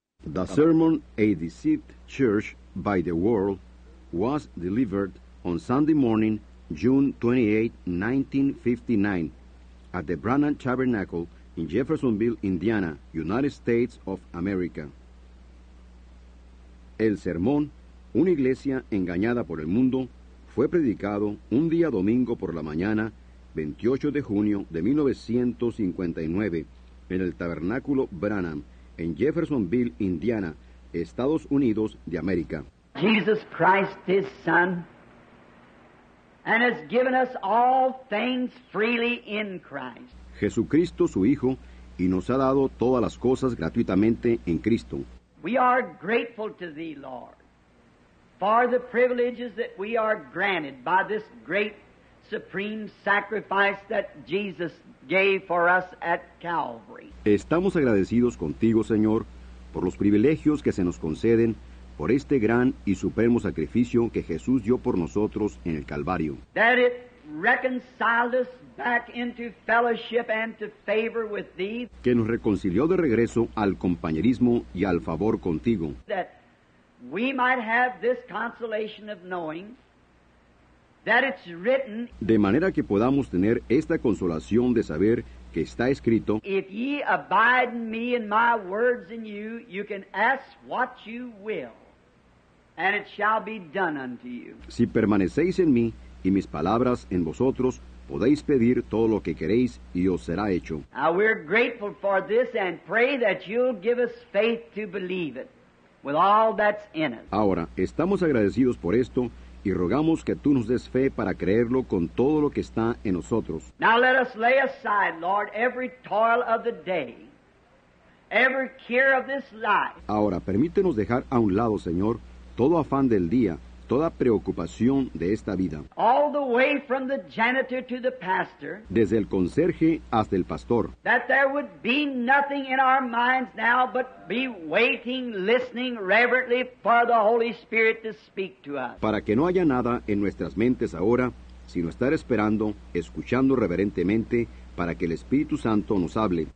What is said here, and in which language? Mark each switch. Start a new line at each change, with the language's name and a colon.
English: The sermon "A Deceived Church by the World" was delivered on Sunday morning, June 28, 1959, at the Branham Tabernacle in Jeffersonville, Indiana, United States of America.
Spanish: El sermón, "Una iglesia engañada por el mundo", fue predicado un día domingo por la mañana, 28 de junio de 1959, en el Tabernáculo Branham, en Jeffersonville, Indiana, Estados Unidos de América.
English: Jesus Christ, His Son, and has given us all things freely in Christ.
Spanish: Jesucristo, su Hijo, y nos ha dado todas las cosas gratuitamente en Cristo.
English: We are grateful to Thee, Lord, for the privileges that we are granted by this great supreme sacrifice that Jesus gave for us at Calvary.
Spanish: Estamos agradecidos contigo, Señor, por los privilegios que se nos conceden por este gran y supremo sacrificio que Jesús dio por nosotros en el Calvario.
English: That it reconciled us back into fellowship and to favor with Thee.
Spanish: Que nos reconcilió de regreso al compañerismo y al favor contigo.
English: That we might have this consolation of knowing that it's written.
Spanish: De manera que podamos tener esta consolación de saber que está escrito:
English: if ye abide in me and my words in you, you can ask what you will, and it shall be done unto you.
Spanish: Si permanecéis en mí y mis palabras en vosotros, podéis pedir todo lo que queréis y os será hecho.
English: Now we're grateful for this and pray that you'll give us faith to believe it with all that's in us.
Spanish: Ahora estamos agradecidos por esto y rogamos que tú nos des fe para creerlo con todo lo que está en nosotros.
English: Now let us lay aside, Lord, every toil of the day, every care of this life.
Spanish: Ahora permítenos dejar a un lado, Señor, todo afán del día, toda preocupación de esta vida.
English: All the way from the janitor to the pastor.
Spanish: Desde el conserje hasta el pastor.
English: That there would be nothing in our minds now but be waiting, listening reverently for the Holy Spirit to speak to us.
Spanish: Para que no haya nada en nuestras mentes ahora, sino estar esperando, escuchando reverentemente para que el Espíritu Santo nos hable.